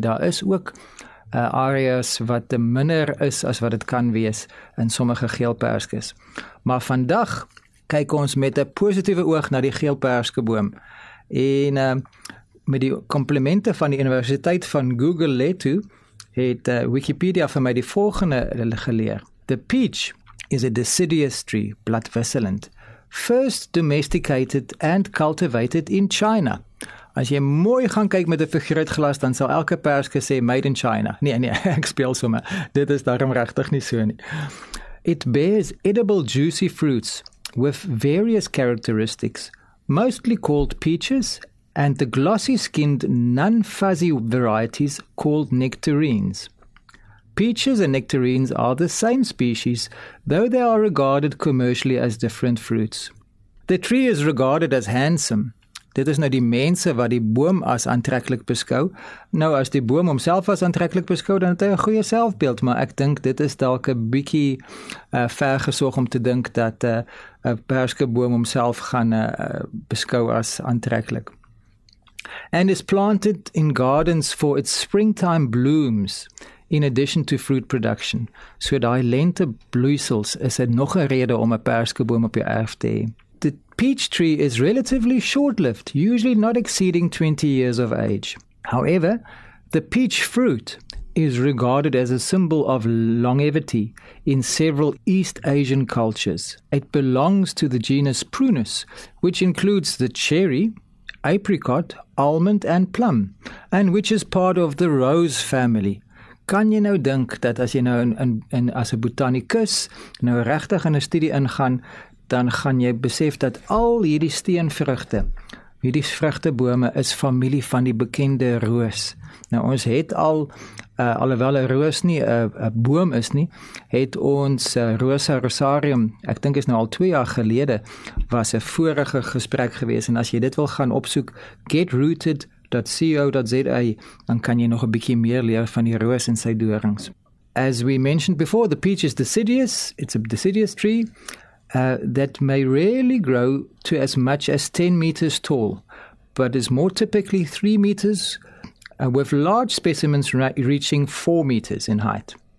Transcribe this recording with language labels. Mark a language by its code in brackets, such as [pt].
[af] Daar is ook areas wat minder is as wat dit kan wees in sommige geelperskes. Maar vandag kyk ons met 'n positiewe oog na die geelperskeboom en met die komplimente van die Universiteit van Guguletu het Wikipedia vir my die volgende geleer. [en] The peach is a deciduous tree, blood vessellent, first domesticated and cultivated in China. [af] As jy mooi gaan kyk met 'n vergrootglas, dan sal elke perske sê [en] made in China. [af] Nee, ek speel sommer. Dit is daarom regtig nie so nie. [en] It bears edible juicy fruits with various characteristics, mostly called peaches, and the glossy-skinned, non-fuzzy varieties called nectarines. Peaches and nectarines are the same species, though they are regarded commercially as different fruits. The tree is regarded as handsome. [af] Dit is nou die mense wat die boom as aantreklik beskou. Nou, as die boom homself as aantreklik beskou, dan het hy 'n goeie selfbeeld, maar ek dink dit is dalk 'n bietjie vergesog om te dink dat 'n perskeboom homself gaan beskou as aantreklik. [en] And is planted in gardens for its springtime blooms in addition to fruit production. [af] So die lente bloeisels is het nog een rede om 'n perskeboom op jou erf te hê. [en] The peach tree is relatively short-lived, usually not exceeding 20 years of age. However, the peach fruit is regarded as a symbol of longevity in several East Asian cultures. It belongs to the genus Prunus, which includes the cherry, apricot, almond and plum, and which is part of the rose family. [af] Kan jy nou dink dat as jy nou in as 'n botanikus nou regtig in 'n studie ingaan, dan gaan jy besef dat al hierdie steenvrugte, hierdie vrugtebome is familie van die bekende roos. Nou ons het al, alhoewel 'n roos nie 'n boom is nie, het ons Rosa Rosarium, ek dink is nou al 2 jaar gelede, was 'n vorige gesprek gewees. En as jy dit wil gaan opsoek, getrooted.co.za, dan kan jy nog 'n bietjie meer leer van die roos en sy dorings. [en] As we mentioned before, the peach is deciduous. It's a deciduous tree that may rarely grow to as much as 10 meters tall, but is more typically 3 meters with large specimens reaching 4 meters in height.